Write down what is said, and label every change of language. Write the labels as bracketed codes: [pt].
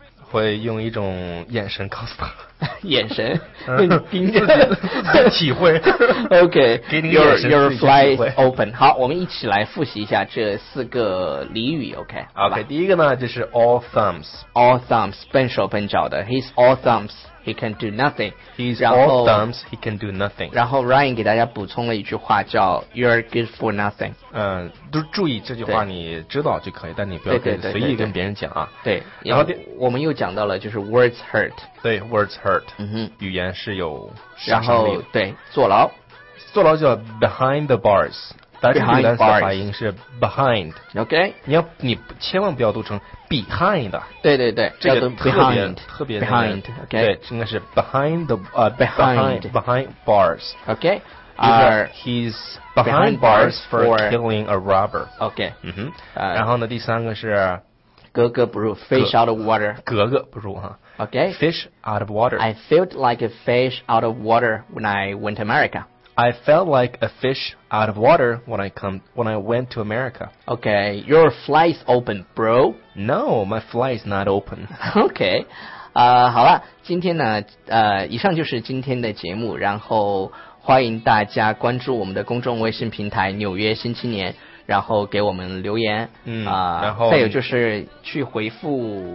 [zh] 会用一种眼神告诉他。眼神会盯着自己体会。 [en] OK， [zh] 给你个眼神自己体会。 [en] Your fly is open。 [zh] 好，我们一起来复习一下这四个俚语。 [en] OK [zh] OK， 第一个呢就是 [en] all thumbs， all thumbs， [zh] 笨手笨脚的。 [en] He's all thumbs, he can do nothing. He's all thumbs, he can do nothing。 [zh] 然后 Ryan 给大家补充了一句话叫 [en] You're good for nothing。 [zh] 都注意这句话你知道就可以，但你不要可以随意跟别人讲啊。对，然后我们又讲到了就是 [en] words hurt。 [zh] 对， [en] words hurt。 [zh] 嗯哼，语言是有杀伤力。然后对，坐牢，坐牢叫 [en] behind the bars。 [zh] 但是语言的发音是 behind。 [en] OK， [zh] 你千万不要读成 behind。对对对，这个特别 [en] behind。 OK，对，应该是 behind the behind bars。 OK， he's behind bars for killing a robber。 OK， [zh] 嗯哼，然后呢第三个是格格不入， [en] fish out of water。 [zh] 格格不入哈。 [en] OK, fish out of water. I felt like a fish out of water when I went to America. I felt like a fish out of water when I went to America. OK, your fly is open, bro. No, my fly is not open. [zh] OK, 好了，今天呢，以上就是今天的节目，然后欢迎大家关注我们的公众微信平台纽约新青年，然后给我们留言，嗯，然后再有就是去回复